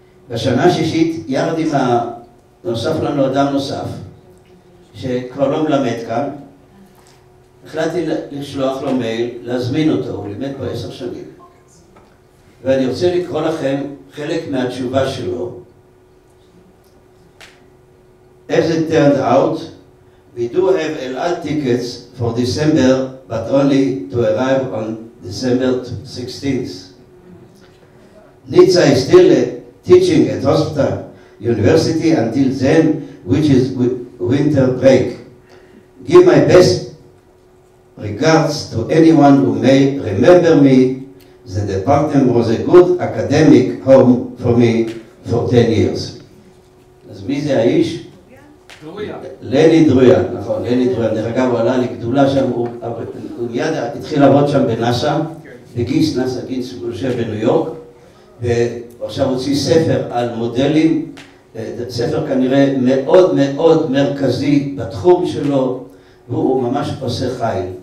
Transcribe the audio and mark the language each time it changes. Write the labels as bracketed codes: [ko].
[he] בשנה השישית, יחד עם נוסף לנו אדם נוסף, שכבר לא מלמד כאן, החלטתי לשלוח לו מייל, להזמין אותו, הוא לימד פה 10 שנים. ואני רוצה לקרוא לכם חלק מהתשובה שלו. [en] As it turned out, we do have Elad tickets for December, but only to arrive on December 16th. Nitsa is still teaching at hospital university until then, which is winter break. Give my best regards to anyone who may remember me. The department was a good academic home for me for 10 years. [he] אז מי זה האיש? לני דרויאן, נכון, לני דרויאן. דרך אגב, הוא עלה לגדולה שם, הוא מיד התחיל לעבוד שם בנאסא, בגיס, נאסא גיס, הוא יושב בניו יורק, ועכשיו הוציא ספר על מודלים, ספר כנראה מאוד מאוד מרכזי בתחום שלו, והוא ממש עושה חיל.